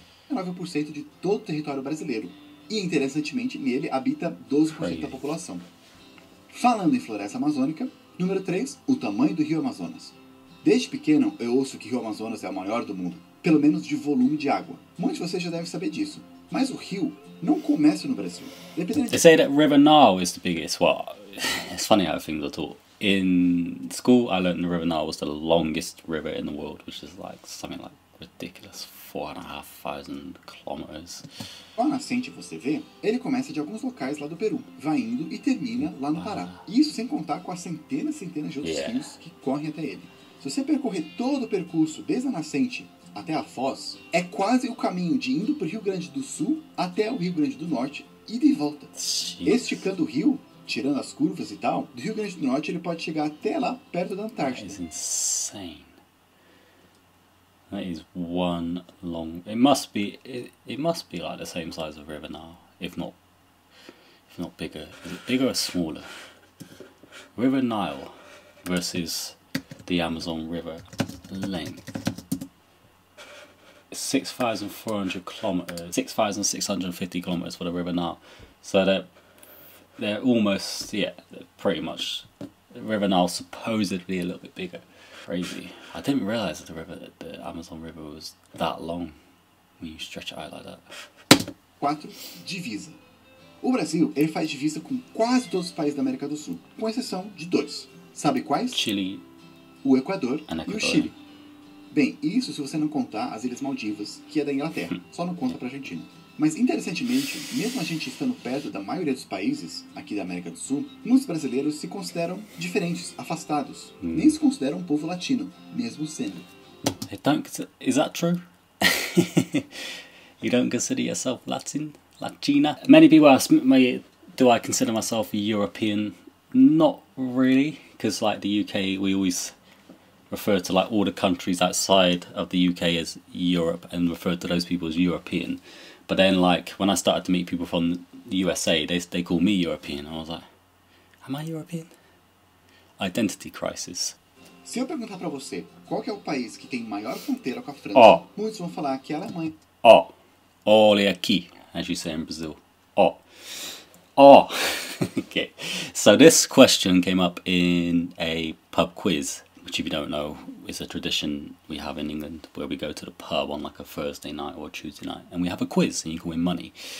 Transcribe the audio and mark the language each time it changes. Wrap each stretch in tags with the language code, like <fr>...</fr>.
<pt>9% de todo o território brasileiro. E, interessantemente, nele habita 12% da população. Falando em floresta amazônica, número 3, o tamanho do rio Amazonas. Desde pequeno, eu ouço que o rio Amazonas é o maior do mundo, pelo menos de volume de água. Muitos de vocês já devem saber disso. Mas o rio não começa no Brasil.</pt> <en>They say that River Nile is the biggest. Well, it's funny how things are taught. In school, I learned the River Nile was the longest river in the world, which is like something like ridiculous. 4,500 km.</en> <pt>Com a nascente, você vê, ele começa de alguns locais lá do Peru, vai indo e termina lá no Pará. Isso sem contar com as centenas e centenas de outros rios que correm até ele. Se você percorrer todo o percurso, desde a nascente até a foz, é quase o caminho de indo pro Rio Grande do Sul até o Rio Grande do Norte e de volta. Esticando o rio, tirando as curvas e tal, do Rio Grande do Norte ele pode chegar até lá perto da Antártida.</pt> <en>That is insane. That is one long... It must be like the same size of River Nile, if not bigger. Is it bigger or smaller? River Nile versus the Amazon River length. 6,650 km for the River Nile. So they're almost, pretty much. River Nile supposedly a little bit bigger. Crazy. I didn't realize the Amazon River was that long when you stretch it out like that.</en> <pt>4. Divisa. O Brasil, ele faz divisa com quase todos os países da América do Sul, com exceção de dois. Sabe quais? Chile. O Equador e o Chile. Bem, isso se você não contar as Ilhas Maldivas, que é da Inglaterra, só não conta pra Argentina. Mas, interessantemente, mesmo a gente estando perto da maioria dos países, aqui da América do Sul, muitos brasileiros se consideram diferentes, afastados. Nem se consideram um povo latino, mesmo sendo.</pt> <en>Is that true? You don't consider yourself Latin? Latina? Many people ask me, do I consider myself European? Not really, because like the UK, we always refer to like all the countries outside of the UK as Europe and refer to those people as European. But then like when I started to meet people from the USA, they call me European. I was like, am I European? Identity crisis.</en> <pt>Se eu perguntar para você qual que é o país que tem maior fronteira com a França, oh. Muitos vão falar que é a Alemanha. Oh, olha aqui,</pt> <en>as you say in Brazil. Oh, oh. Okay, so this question came up in a pub quiz, which if you don't know, is a tradition we have in England where we go to the pub on like a Thursday night or a Tuesday night and we have a quiz and you can win money.</en>